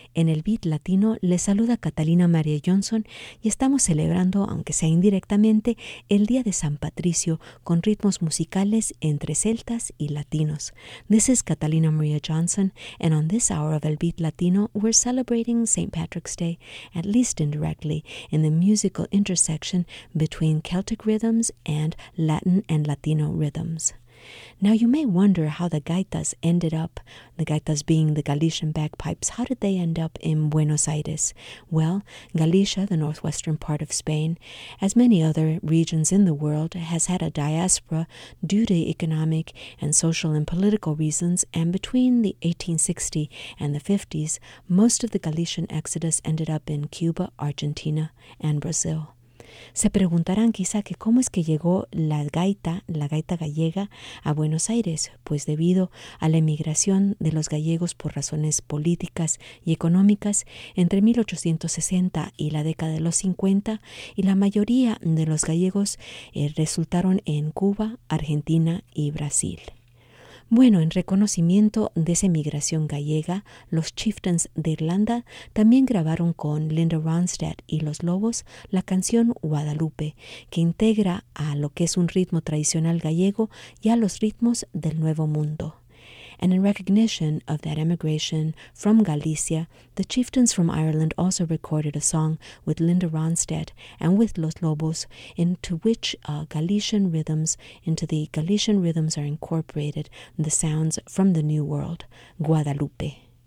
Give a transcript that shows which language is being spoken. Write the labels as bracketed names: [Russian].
[Spanish] En el Beat Latino le saluda Catalina María Johnson y estamos celebrando, aunque sea indirectamente, el Día de San Patricio con ritmos musicales entre celtas y latinos. [English] This is Catalina María Johnson, and on this hour of El Beat Latino, we're celebrating St. Patrick's Day, at least indirectly, in the musical intersection between Celtic rhythms and Latin and Latino rhythms. Now you may wonder how the gaitas ended up, the gaitas being the Galician bagpipes, how did they end up in Buenos Aires? Well, Galicia, the northwestern part of Spain, as many other regions in the world, has had a diaspora due to economic and social and political reasons, and between the 1860 and the 50s, most of the Galician exodus ended up in Cuba, Argentina, and Brazil. [Spanish] Se preguntarán quizá que cómo es que llegó la gaita gallega, a Buenos Aires, pues debido a la emigración de los gallegos por razones políticas y económicas entre 1860 y la década de los 50, y la mayoría de los gallegos resultaron en Cuba, Argentina y Brasil. Bueno, en reconocimiento de esa emigración gallega, los Chieftains de Irlanda también grabaron con Linda Ronstadt y Los Lobos la canción Guadalupe, que integra a lo que es un ritmo tradicional gallego y a los ritmos del Nuevo Mundo. [English] And in recognition of that emigration from Galicia, the Chieftains from Ireland also recorded a song with Linda Ronstadt and with Los Lobos, into which Galician rhythms are incorporated, the sounds from the New World, Guadalupe.